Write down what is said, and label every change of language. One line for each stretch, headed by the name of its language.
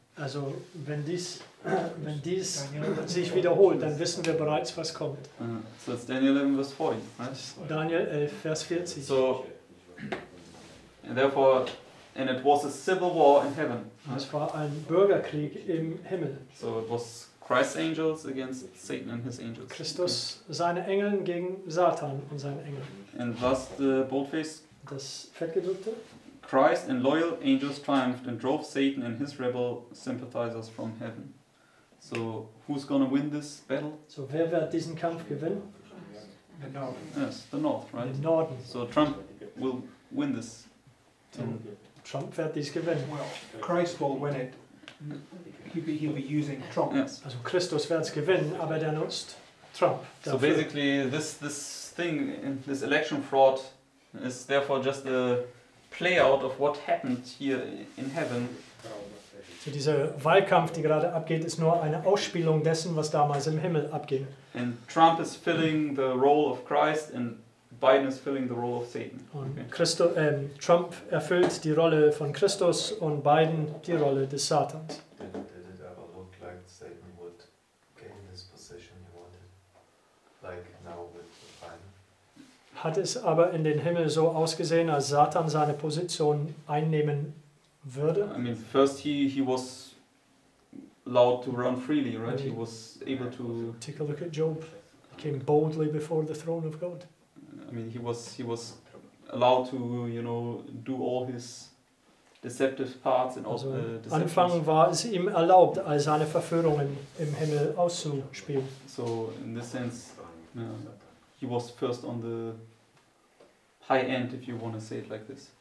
German: Also wenn dies, wenn dies sich wiederholt, dann wissen wir bereits, was kommt.
English: So it's Daniel 11, verse 40, right?
German: Daniel 11, Vers 40.
English: So, and therefore, and it was a civil war in heaven.
German: Right? Es war ein Bürgerkrieg im Himmel.
English: So it was Christ's angels against Satan and his angels.
German: Christus, okay. Seine Engeln gegen Satan und seine Engel.
English: And thus the boldface.
German: Das Fettgedrückte.
English: Christ and loyal angels triumphed and drove Satan and his rebel sympathizers from heaven. So who's gonna win this battle?
German: So wer wird diesen Kampf gewinnen?
English: The North. Yes, the North, right?
German: The Norden.
English: So Trump will win this.
German: Trump wird dies gewinnen.
English: Well, Christ will win it. He'll be using Trump. Yes.
German: Also Christus wird es gewinnen, aber der nutzt Trump.
English: Dafür. So basically this thing, this election fraud is therefore just a play out of what happened here in heaven.
German: So dieser Wahlkampf, die gerade abgeht, ist nur eine Ausspielung dessen, was damals im Himmel abging.
English: And Trump is filling the role of Christ and Biden is filling the role of Satan.
German: Und Trump erfüllt die Rolle von Christus und Biden die Rolle des Satans.
English: Did it ever look like Satan would gain this position he wanted? Like now with Biden?
German: Hat es aber in den Himmel so ausgesehen, als Satan seine Position einnehmen würde?
English: I mean, first he was allowed to run freely, right? He was able to take a look at Job. He came boldly before the throne of God. I mean, he was allowed to, you know, do all his deceptive parts and also all the deceptions.
German: Anfang war es ihm erlaubt, all seine Verführungen im Himmel auszuspielen.
English: So in this sense, yeah, he was first on the high end, if you want to say it like this.